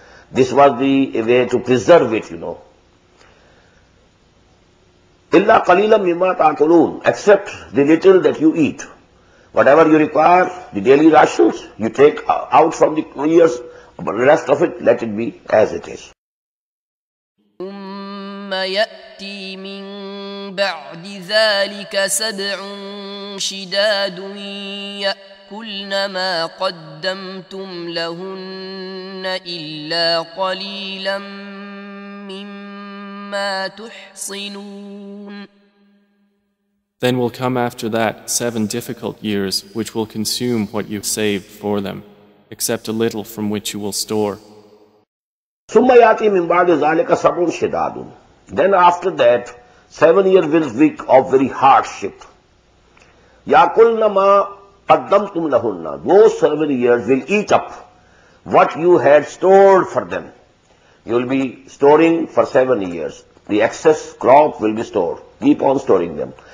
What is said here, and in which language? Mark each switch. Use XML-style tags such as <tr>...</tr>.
<en>This was the way to preserve it, you know.</en> <ar>Illa qalilam mimma ta'kulun,</ar> <en>except the little that you eat. Whatever you require, the daily rations, you take out from the ears, but the rest of it, let it be as it is.</en> <ar>يأتي من بعد ذلك سبع شداد يأكلن ما قدمتم لهن إلا قليلا مما تحصنون.</ar> <en>Then will come after that seven difficult years which will consume what you saved for them, except a little from which you will store.</en> <ar>ثم يأتي من بعد ذلك سبع شداد.</ar> <en>Then after that, 7 years will be of very hardship.</en> <ar>يَاكُلْنَ مَا قَدَّمْتُمْ لَهُنَّ.</ar> <en>Those 7 years will eat up what you had stored for them. You will be storing for 7 years. The excess crop will be stored. Keep on storing them.</en>